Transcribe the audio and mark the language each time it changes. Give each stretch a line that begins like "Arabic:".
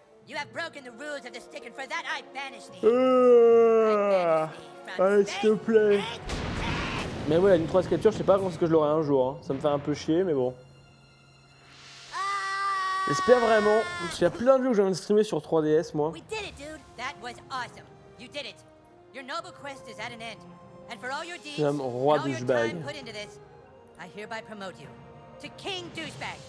English: You have broken the rules of the stick, and for that I banish thee.
French: Allez, s'il te plaît. Mais voilà, une troisième capture, je sais pas quand est-ce que je l'aurai un jour. Hein. Ça me fait un peu chier, mais bon. J'espère vraiment. Parce qu'il y a plein de jeux que j'ai envie de streamer sur 3DS, moi.
English: We did it, dude. That was awesome. You did it. Your noble quest is at an end. And for all your deeds, and all your time put into this, I hereby promote you to King Douchebag.